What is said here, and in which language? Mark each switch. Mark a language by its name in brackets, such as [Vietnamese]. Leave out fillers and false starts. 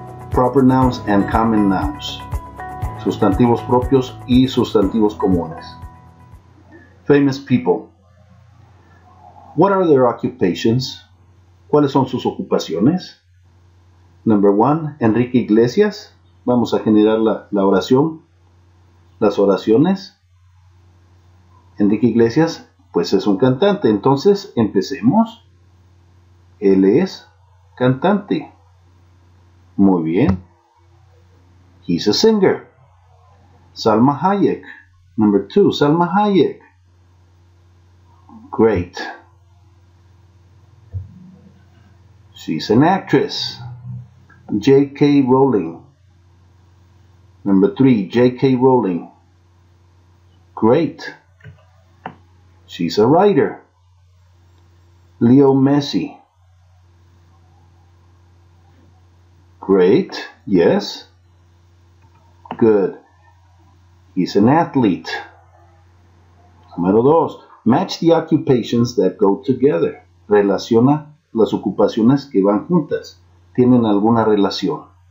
[English] Proper nouns and common nouns. [Spanish] Sustantivos propios y sustantivos comunes. [English] Famous people. What are their occupations? [Spanish] ¿Cuáles son sus ocupaciones? [English] Number 1, [Spanish] Enrique Iglesias. Vamos a generar la oración. Las oraciones. Enrique Iglesias, pues es un cantante. Entonces, empecemos. Él es cantante. Muy bien. [English] He's a singer. [Spanish] Salma Hayek. [English] Number 2, Salma Hayek. Great. She's an actress. J.K. Rowling. Number 3, J.K. Rowling. Great. She's a writer. Leo Messi. Great. Yes. Good. He's an athlete. [Spanish] Número 2. [English] Match the occupations that go together. [Spanish] Relaciona las ocupaciones que van juntas. Tienen alguna relación.